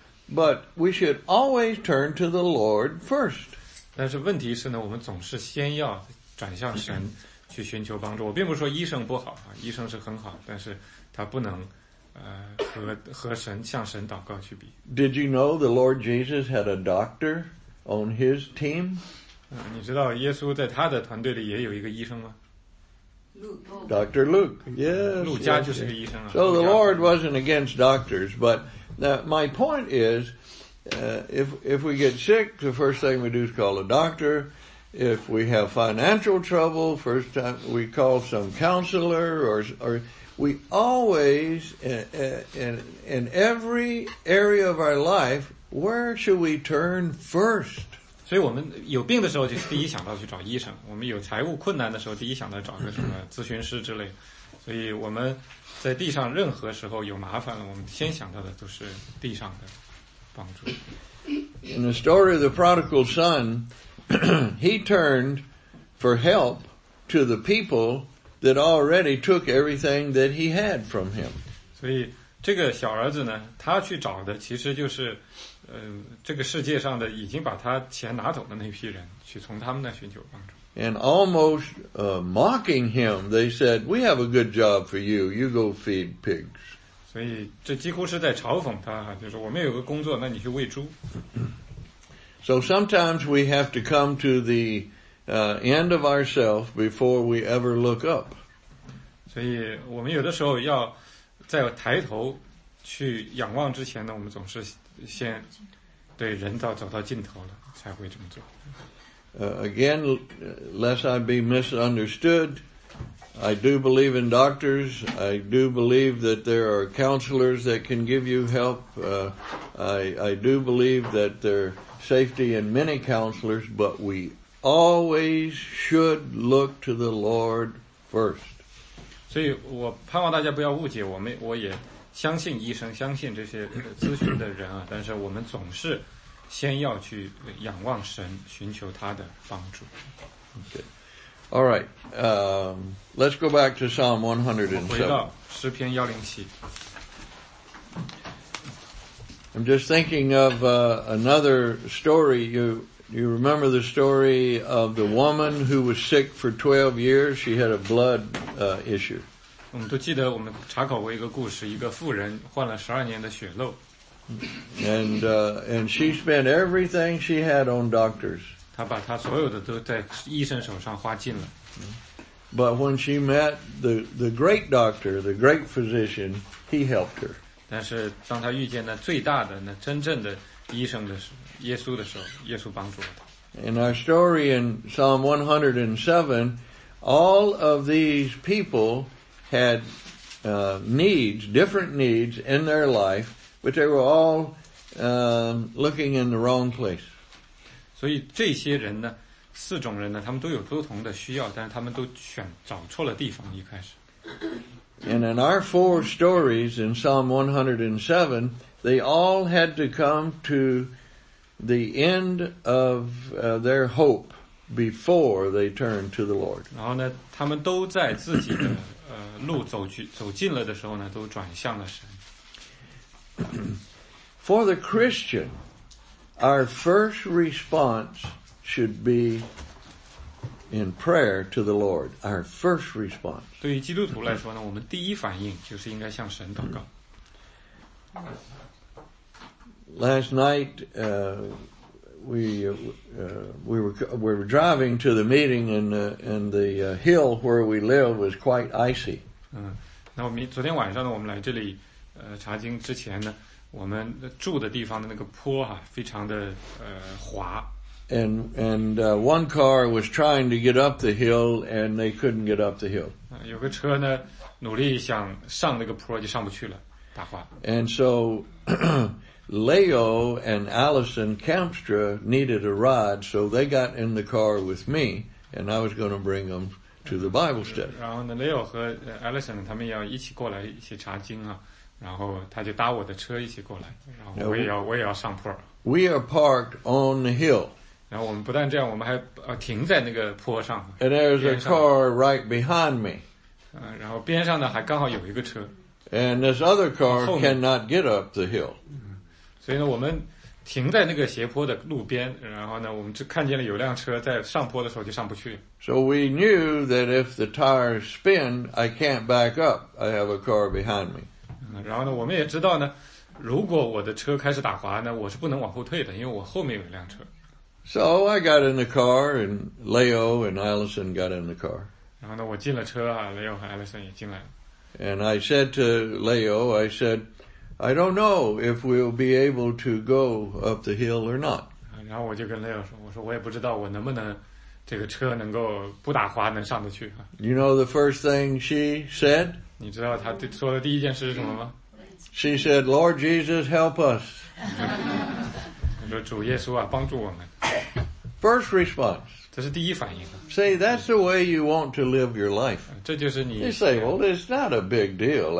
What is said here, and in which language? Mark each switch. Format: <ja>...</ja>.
<en>But we should always turn to the Lord first.</en> <zh>但是问题是呢，我们总是先要转向神去寻求帮助。我并不说医生不好，医生是很好，但是他不能和神向神祷告去比。</zh> <en>Did you know the Lord Jesus had a doctor on his team?</en> <zh>你知道耶稣在他的团队里也有一个医生吗？</zh> <en>Dr. Luke, yes.</en> <zh>路加就是个医生啊。</zh> <en>So the Lord wasn't against doctors, but my point is, if we get sick, the first thing we do is call a doctor. If we have financial trouble, first time we call some counselor or we always, in every area of our life, where should we turn first?</en> <zh>所以我们有病的时候就是第一想到去找医生，我们有财务困难的时候第一想到找个什么咨询师之类的，所以我们在地上任何时候有麻烦了，我们先想到的都是地上的帮助。</zh> <en>In the story of the prodigal son, he turned for help to the people that already took everything that he had from him.</en> <zh>所以这个小儿子呢，他去找的其实就是这个世界上的已经把他钱拿走的那批人，去从他们那寻求帮助。</zh> <en>And almost mocking him, they said, "We have a good job for you. You go feed pigs."</en> <zh>所以这几乎是在嘲讽他，就是我们有个工作，那你去喂猪。</zh> <en>So sometimes we have to come to the end of ourselves before we ever look up.</en> <zh>所以我们有的时候要在抬头去仰望之前呢，我们总是。先对人道走到尽头了才会这么做。</zh> <en>Again, lest I be misunderstood, I do believe in doctors. I do believe that there are counselors that can give you help. I do believe that there are safety in many counselors, but we always should look to the Lord first.</en> <zh>所以我盼望大家不要误解我们，我也相信医生，相信这些咨询的人啊，但是我们总是先要去仰望神，寻求他的帮助。</zh> <en>Okay. All right, let's go back to Psalm 107.</en> <zh>回到诗篇107。</zh> <en>I'm just thinking of another story. You remember the story of the woman who was sick for 12 years? She had a blood issue.</en> <zh>我们都记得我们查考过一个故事，一个妇人患了12年的血漏。</zh> <en>And she spent everything she had on doctors.</en> <zh>她把她所有的都在医生手上花尽了。</zh> <en>But when she met the great doctor, the great physician, he helped her.</en> <zh>但是当她遇见那最大的、那真正的医生的时候，耶稣的时候，耶稣帮助了她。</zh> <en>In our story in Psalm 107, all of these people,had needs, different needs in their life, but they were all looking in the wrong place.</en> <zh>所以这些人呢，四种人呢，他们都有不同的需要，但是他们都选找错了地方一开始。</zh> <en>And in our four stories in Psalm 107, they all had to come to the end of their hope before they turned to the Lord.</en> <zh>然后呢，他们都在自己的路走近了的时候呢，都转向了神。</zh> <en>For the Christian, our first response should be in prayer to the Lord. Our first response.</en> <zh>对于基督徒来说呢，我们第一反应就是应该向神祷告。</zh> <en>Last night, we were driving to the meeting, and the hill where we live was quite icy.</en> <zh>那我们昨天晚上呢，我们来这里，查经之前呢，我们住的地方的那个坡啊，非常的滑。</zh> <en>And one car was trying to get up the hill and they couldn't get up the hill.</en> <zh>有个车呢努力想上那个坡就上不去了打滑。</zh> <en>And so, Leo and Allison Kampstra needed a ride, so they got in the car with me, and I was going to bring them to the Bible study.</en> <zh>然后呢 ,Leo 和 Allison 他们要一起过来一起查经啊然后他就搭我的车一起过来然后我也要上坡。</zh> <en>We are parked on the hill.</en> <zh>然后我们不但这样我们还停在那个坡上。</zh> <en>And there's a car right behind me.</en> <zh>然后边上呢还刚好有一个车。</zh> <en>And this other car cannot get up the hill.</en> <zh>所以呢我们停在那个斜坡的路边然后呢我们就看见了有辆车在上坡的时候就上不去。</zh> <en>So we knew that if the tires spin, I can't back up. I have a car behind me.</en> <zh>然后呢我们也知道呢如果我的车开始打滑呢我是不能往后退的因为我后面有一辆车。</zh> <en>So I got in the car and Leo and Allison got in the car.</en> <zh>然后呢我进了车啊 ,Leo 和 Allison 也进来了。</zh> <en>And I said to Leo, I said, I don't know if we'll be able to go up the hill or not.</en> <zh>然后我就跟 Leo 说我说我也不知道我能不能这个车能够不打滑能上得去。</zh> <en>You know the first thing she said?</en> <zh>你知道她说的第一件事是什么吗</zh> <en>She said, Lord Jesus, help us.</en> <zh>她说主耶稣啊帮助我们。</zh> <en>First response.</en> <zh>这是第一反应。</zh> <en>See, that's the way you want to live your life.</en> <zh>这就是你。</zh> <en>You say, well, it's not a big deal.</en>